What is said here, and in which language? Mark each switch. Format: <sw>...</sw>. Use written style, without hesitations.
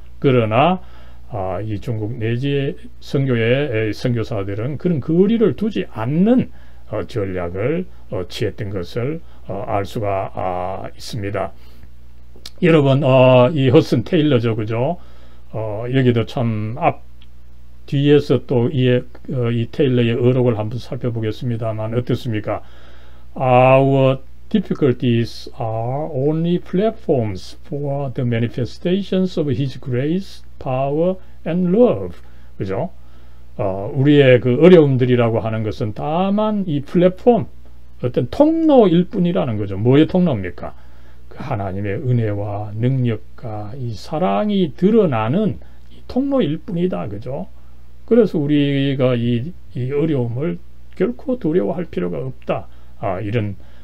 <ko>그러나 이 중국 내지의 선교의 선교사들은 그런 거리를 두지 않는 전략을 취했던 것을 알 수가 있습니다. 여러분, 이 허슨 테일러죠, 그죠? 여기도 참 뒤에서 또 이 테일러의 어록을 한번 살펴보겠습니다만, 어떻습니까?</ko> <en>Our difficulties are only platforms for the manifestations of His grace, power, and love.</en> <ko>그죠? 우리의 그 어려움들이라고 하는 것은 다만 이 플랫폼, 어떤 통로일 뿐이라는 거죠. 뭐의 통로입니까? 그 하나님의 은혜와 능력과 이 사랑이 드러나는 이 통로일 뿐이다. 그죠? 그래서 우리가 이 어려움을 결코 두려워할 필요가 없다. 이런</ko>